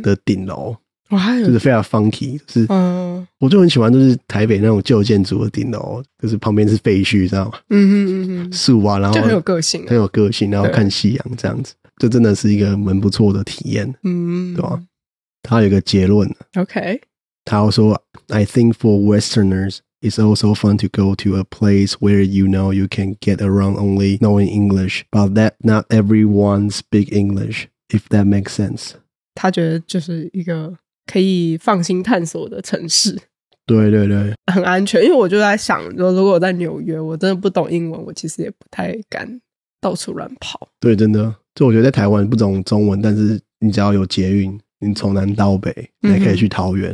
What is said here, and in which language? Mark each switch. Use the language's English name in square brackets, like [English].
[Chinese] 的顶楼，我还有就是非常 funky， 是，嗯，我就很喜欢，就是台北那种旧建筑的顶楼，就是旁边是废墟，知道吗？嗯嗯嗯，树啊，然后就很有个性，很有个性，然后看夕阳这样子，就真的是一个蛮不错的体验，嗯，对吧？他有一个结论，OK，他说 [English] ，I think for Westerners, it's also fun to go to a place where you know you can get around only knowing English, but that not everyone speak English, if that makes sense. [Chinese] 他觉得就是一个可以放心探索的城市，对对对，很安全。因为我就在想说，如果我在纽约，我真的不懂英文，我其实也不太敢到处乱跑。对，真的，就我觉得在台湾不懂中文，但是你只要有捷运，你从南到北，你还可以去桃园，